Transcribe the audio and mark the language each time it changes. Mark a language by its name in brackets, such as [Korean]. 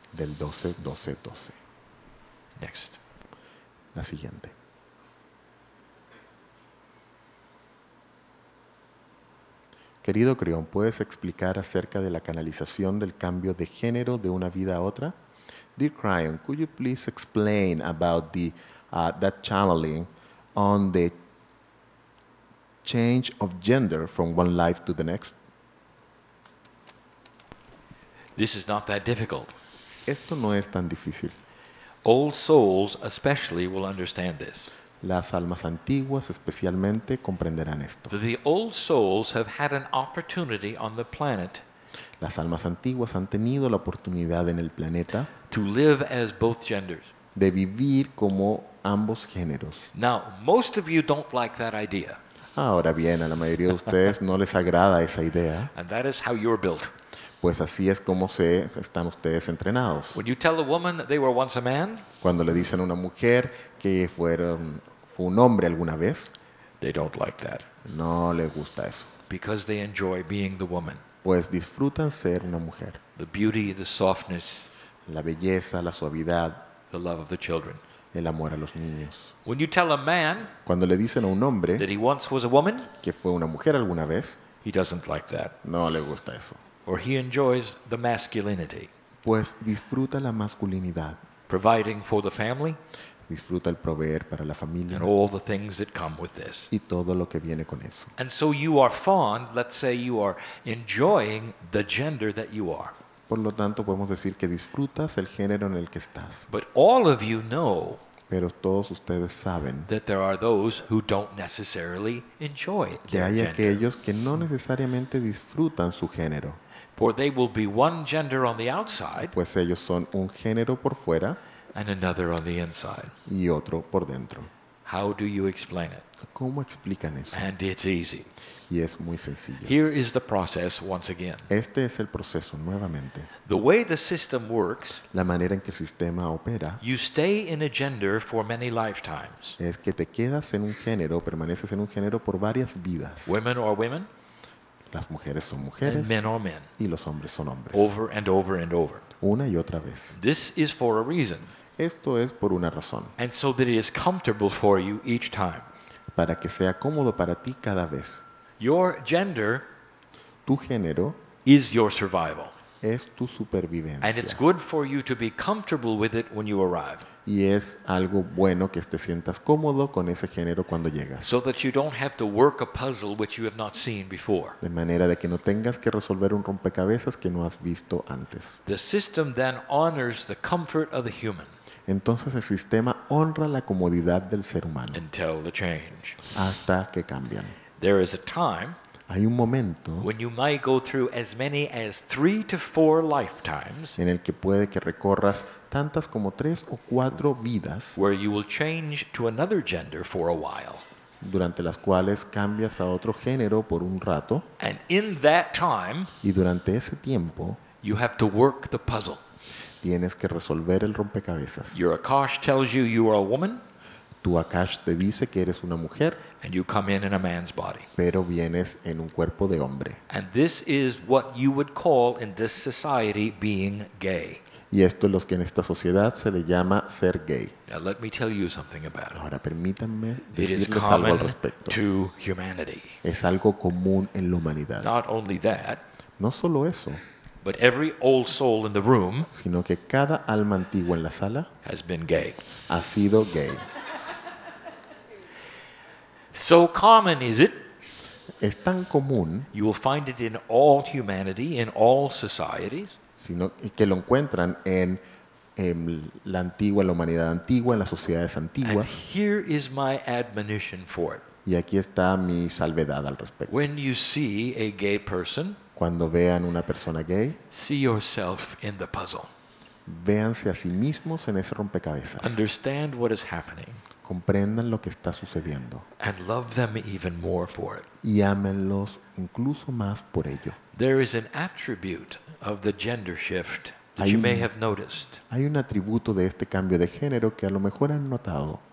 [Spanish] Del 12, 12, 12. [English] Next. [Spanish] La siguiente. Querido Creón, ¿puedes explicar acerca de la canalización del cambio de género de una vida a otra? [English] Dear Cryon, could you please explain about the that channeling on the change of gender from one life to the next? This is not that difficult. [Spanish] Esto no es tan difícil. [English] Old souls especially will understand this. [Spanish] Las almas antiguas especialmente comprenderán esto. [English] The old souls have had an opportunity on the planet. [Spanish] Las almas antiguas han tenido la oportunidad en el planeta [English] to live as both genders. [Spanish] De vivir como ambos géneros. [English] Now, most of you don't like that idea. [Spanish] Ahora bien, a la mayoría de ustedes no les agrada esa idea. [English] And that is how you're built. [Spanish] Pues así es como se están ustedes entrenados. [English] When you tell a woman that they were once a man, [Spanish] cuando le dicen a una mujer que fue un hombre alguna vez, [English] they don't like that. [Spanish] No les gusta eso. [English] Because they enjoy being the woman. [Spanish] Pues disfrutan ser una mujer. [English] The beauty, the softness, [Spanish] la belleza, la suavidad, [English] the love of the children. [Spanish] El amor a los niños. [English] When you tell a man, [Spanish] cuando le dicen a un hombre [English] that he once was a woman, [Spanish] que fue una mujer alguna vez, [English] he doesn't like that. [Spanish] No le gusta eso. [English] Or he enjoys the masculinity. [Spanish] Pues disfruta la masculinidad. [English] Providing for the family. [Spanish] Disfruta el proveer para la familia. [English] And all the things that come with this. [Spanish] Y todo lo que viene con eso. [English] And so you are fond, let's say you are enjoying the gender that you are. [Spanish] Por lo tanto, podemos decir que disfrutas el género en el que estás. [English] But all of you know. [Spanish] Pero todos ustedes saben [English] that there are those who don't necessarily enjoy their [Spanish] gender. Que hay aquellos [English] gender. [Spanish] Que no necesariamente disfrutan su género. [English] For they will be one gender on the outside, [Spanish] pues ellos son un género por fuera, [English] and another on the inside. [Spanish] Y otro por dentro. [English] How do you explain it? [Spanish] ¿Cómo explican eso? [English] And it's easy. [Spanish] Y es muy sencillo. [English] Here is the process once again. [Spanish] Este es el proceso nuevamente. [English] The way the system works, [Spanish] la manera en que el sistema opera, [English] you stay in a gender for many lifetimes. [Spanish] Es que te quedas en un género, permaneces en un género por varias vidas. [English] Women or women? [Spanish] Las mujeres son mujeres. [English] And men or men. [Spanish] Y los hombres son hombres. [English] Over and over and over. [Spanish] Una y otra vez. [English] This is for a reason. [Spanish] Esto es por una razón. [English] And so that it is comfortable for you each time. [Spanish] Para que sea cómodo para ti cada vez. [English] Your gender, [Spanish] tu género, [English] is your survival. [Spanish] Es tu supervivencia. [English] And it's good for you to be comfortable with it when you arrive. [Spanish] Y es algo bueno que te sientas cómodo con ese género cuando llegas. [English] So that you don't have to work a puzzle which you have not seen before. [Spanish] De manera de que no tengas que resolver un rompecabezas que no has visto antes. [English] The system then honors the comfort of the human. [Spanish] Entonces el sistema honra la comodidad del ser humano. [English] Until the change. [Spanish] Hasta que cambian. [English] There is a time, [Spanish] hay un momento, [English] when you might go through as many as 3 to 4 lifetimes, [Spanish] en el que puede que recorras tantas como 3 o 4 vidas, [English] where you will change to another gender for a while, [Spanish] durante las cuales cambias a otro género por un rato, [English] and in that time, [Spanish] y durante ese tiempo, [English] you have to work the puzzle, [Spanish] tienes que resolver el rompecabezas. [English] Your Akash tells you you are a woman. [Spanish] Tu Akash te dice que eres una mujer, [English] and you come in a man's body. [Spanish] Pero vienes en un cuerpo de hombre. [English] And this is what you would call in this society being gay. [Spanish] Y esto es lo que en esta sociedad se le llama ser gay. [English] Now let me tell you something about it. [Spanish] Ahora permítanme decirles algo al respecto. [English] To humanity. [Spanish] Es algo común en la humanidad. [English] Not only that, [Spanish] no solo eso, [English] but every old soul in the room, [Spanish] sino que cada alma antigua en la sala, [English] has been gay. [Spanish] Ha sido gay. [English] So common is it? [Spanish] Es tan común. [English] You will find it in all humanity, in all societies. [Spanish] Sino que lo encuentran en la antigua, la humanidad antigua, en las sociedades antiguas. [English] And here is my admonition for it. [Spanish] Y aquí está mi salvedad al respecto. [English] When you see a gay person, [Spanish] cuando vean una persona gay, [English] see yourself in the puzzle. [Spanish] Véanse a sí mismos en ese rompecabezas. [English] Understand what is happening. [Spanish] Comprendan lo que está sucediendo. [English] And love them even more for it. [Spanish] Y ámenlos incluso más por ello. [English] There is an attribute of the gender shift that you may have noticed. [Spanish] Hay un atributo de este cambio de género que a lo mejor han notado.